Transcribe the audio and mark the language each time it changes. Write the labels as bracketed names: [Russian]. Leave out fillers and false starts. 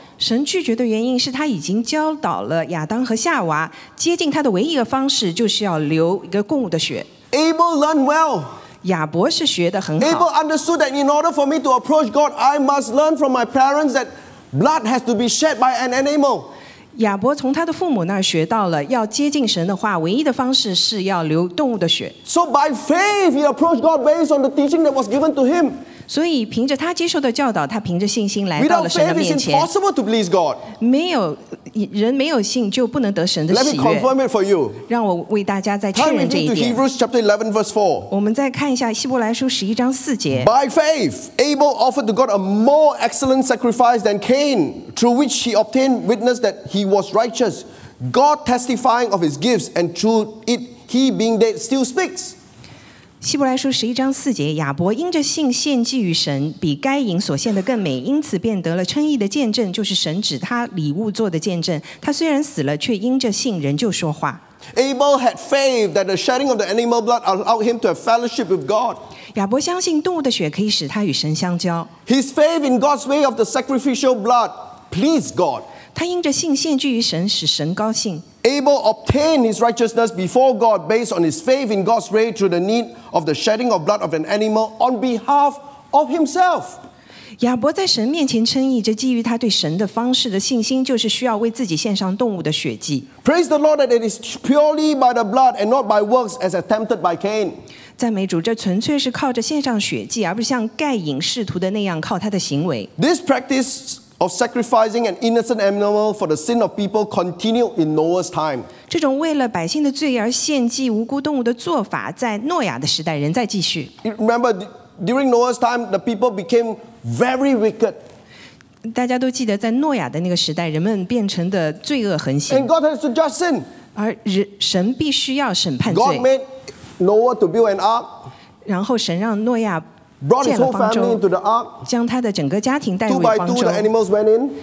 [Chinese] 神拒绝的原因是他已经教导了亚当和夏娃，接近他的唯一的方式就是要流一个供物的血。 [English] Abel learned well. [Chinese] 亚伯是学得很好。 [English] Abel understood that in order for me to approach God, I must learn from my parents that blood has to be shed by an animal. [Chinese] 亚伯从他的父母那儿学到了，要接近神的话，唯一的方式是要流动物的血。 [English] So by faith, he approached God based on the teaching that was given to him. [Chinese] 所以凭着他接受的教导，他凭着信心来到了神的面前。 [English] Without faith, it's impossible to please God. [Chinese] 没有人没有信就不能得神的喜悦。 [English] Let me confirm it for you. [Chinese] 让我为大家再确认这一点。 [English] Turn with me to Hebrews chapter 11, verse 4. [Chinese] 我们再看一下希伯来书十一章四节。 [English] By faith, Abel offered to God a more excellent sacrifice than Cain, through which he obtained witness that he was righteous, God testifying of his gifts, and through it he being dead still speaks. [Chinese] 希伯来书十一章四节，亚伯因着信献祭于神，比该隐所献的更美，因此便得了称义的见证，就是神指他礼物做的见证。他虽然死了，却因着信仍旧说话。 [English] Abel had faith that the shedding of the animal blood allowed him to have fellowship with God. [Chinese] 亚伯相信动物的血可以使他与神相交。 [English] His faith in God's way of the sacrificial blood pleased God. [Chinese] 他因着信献祭于神，使神高兴。 [English] Abel obtained his righteousness before God based on his faith in God's way through the need of the shedding of blood of an animal on behalf of himself. [Chinese] 亚伯在神面前称义，这基于他对神的方式的信心，就是需要为自己献上动物的血祭。 [English] Praise the Lord that it is purely by the blood and not by works as attempted by Cain. [Chinese] 赞美主，这纯粹是靠着献上血祭，而不是像盖隐试图的那样靠他的行为。 [English] This practice. Of sacrificing an innocent animal for the sin of people continued in Noah's time. [Chinese] 这种为了百姓的罪而献祭无辜动物的做法，在诺亚的时代仍在继续。 [English] Remember, during Noah's time, the people became very wicked. [Chinese] 大家都记得，在诺亚的那个时代，人们变成的罪恶横行。 [English] And God has to judge sin. [Chinese] 而神必须要审判罪。 [English] God made Noah to build an ark. [Chinese] 然后神让诺亚。 [English] Brought his whole family into the ark. [Chinese] 将他的整个家庭带入方舟。 [English] Two by two, the animals went in.